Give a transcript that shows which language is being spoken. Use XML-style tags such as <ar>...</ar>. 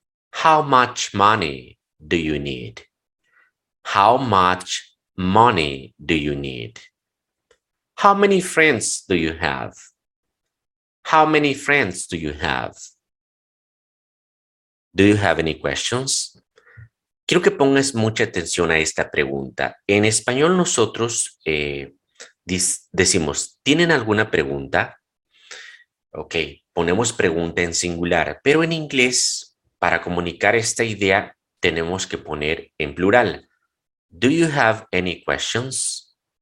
<en>How much money do you need? How much money do you need? How many friends do you have? How many friends do you have? Do you have any questions?</en> <es>Quiero que pongas mucha atención a esta pregunta. En español nosotros decimos, ¿tienen alguna pregunta? Ok, ponemos pregunta en singular, pero en inglés, para comunicar esta idea, tenemos que poner en plural.</es> <en>Do you have any questions?</en>